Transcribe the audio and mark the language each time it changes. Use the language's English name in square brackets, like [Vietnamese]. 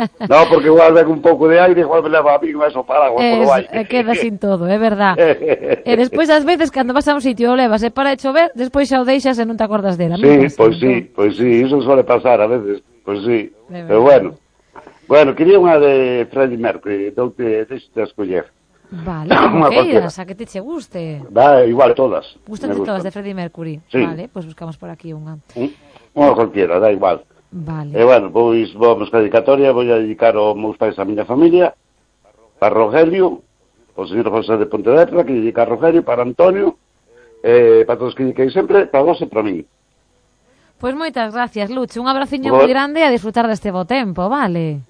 [Galician] No, porque igual ven un pouco de aire, igual me leva a mí eso paraguas. Queda sin todo, é verdad. E despois, ás veces, cando vas a un sitio, o levas, para de chover, despois xa o deixas e non te acordas dela. Sí, pois sí, pois sí, iso suele pasar a veces. Pois sí, pero bueno. Bueno, quería unha de Freddie Mercury, doute deixe-te a escoller. Vale, como queiras, a que te che guste. Da, igual, todas. Gustante todas de Freddie Mercury. Sí. Vale, pois buscamos por aquí unha. Unha cualquiera, da igual. Vale. E bueno, pois vamos a dedicatoria, vou a dedicar os meus pais a miña familia, para Rogelio, o señor José de Pontevedra, que dedica a Rogelio, para Antonio, para todos que dediquei sempre, para vos e para mim. [Spanish] Pues muchas gracias, Lucho. Un abraciño muy grande y a disfrutar de este buen tiempo, ¿vale?